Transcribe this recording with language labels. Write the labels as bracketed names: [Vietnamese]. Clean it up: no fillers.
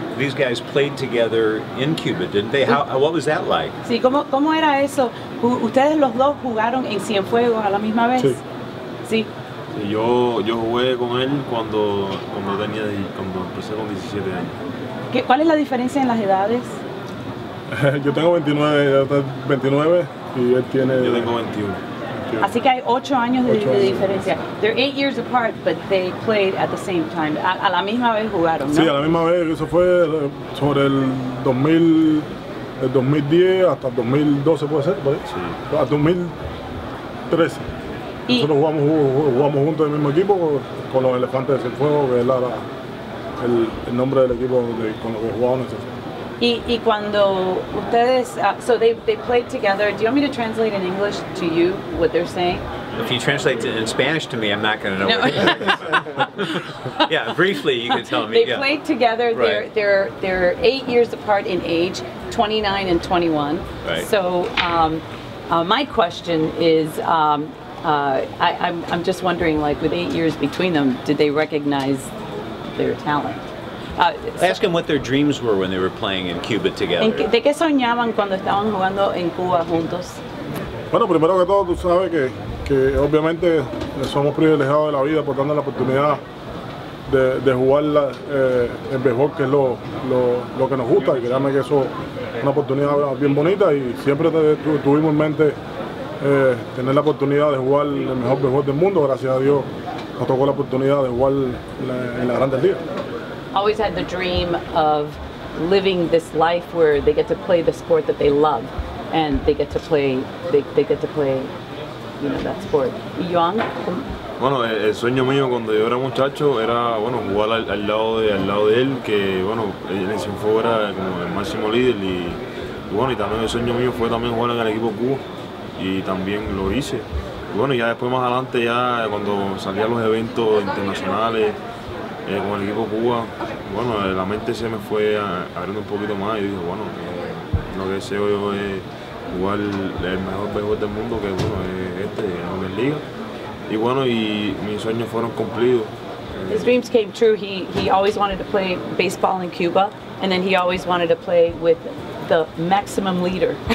[English] These guys played together in Cuba, didn't they? How, what was that like? [Spanish] Sí, ¿cómo, cómo era eso? ¿Ustedes los dos jugaron en Cienfuegos a la misma vez? Sí. Sí. Sí, yo jugué con él cuando, cuando tenía, cuando empecé con 17 años. ¿Qué, ¿cuál es la diferencia en las edades? Yo tengo 29, yo tengo 29 y él tiene... Yo tengo 21. Así que hay 8 años de diferencia. [English] They're 8 years apart, but they played at the same time. [Spanish] A la misma vez jugaron, ¿no? Sí, a la misma vez. Eso fue sobre el 2000, el 2010 hasta 2012, ¿puede ser? ¿Vale? Sí. Hasta 2013. Nosotros jugamos juntos en el mismo equipo con los Elefantes del Fuego, que es el nombre del equipo de, con los que jugaban. Eso. [English] Y cuando ustedes, so they played together. Do you want me to translate in English to you what they're saying? If you translate in Spanish to me, I'm not going to know. No. What yeah, briefly you can tell me. They yeah. played together. Right. They're 8 years apart in age, 29 and 21. Right. So my question is, I'm just wondering, like, with 8 years between them, did they recognize their talent? Ask them what their dreams were when they were playing in Cuba together. [Spanish] ¿De qué soñaban cuando estaban jugando en Cuba juntos? Bueno, primero que todo, tú sabes que obviamente somos privilegiados de la vida por tener la oportunidad de jugar el béisbol, que es lo que nos gusta. Y créanme que eso es una oportunidad bien bonita. Y siempre tuvimos en mente tener la oportunidad de jugar el mejor béisbol del mundo. Gracias a Dios nos tocó la oportunidad de jugar en la Grandes Ligas. [English] Always had the dream of living this life where they get to play the sport that they love, and they get to play, you know, that sport. Yuan? [Spanish] Bueno, el sueño mío cuando yo era muchacho era, bueno, jugar al lado de él, que, bueno, en el Cienfuegos era como el máximo líder, y bueno, y también el sueño mío fue también jugar en el equipo Cuba, y también lo hice. Y bueno, ya después, más adelante, ya cuando salía a los eventos internacionales, con el equipo Cuba, bueno, la mente se me fue abriendo un poquito más y dije, bueno, lo que deseo yo es jugar el mejor béisbol del mundo, que bueno, es este, en la liga. Y bueno, y mis sueños fueron cumplidos. [English] His dreams came true. He always wanted to play baseball in Cuba, and then he always wanted to play with the maximum leader.